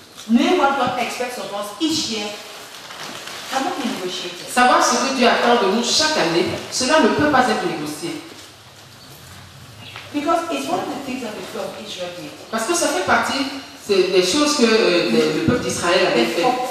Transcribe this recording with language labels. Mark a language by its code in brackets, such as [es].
[en] Knowing what God expects of us each year. Cannot be negotiated. [fr] Savoir ce que Dieu attend de nous chaque année, cela ne peut pas être négocié. [en] Because it's one of the things that the people of Israel did. [fr] Parce que ça fait partie des choses que le peuple d'Israël avait fait.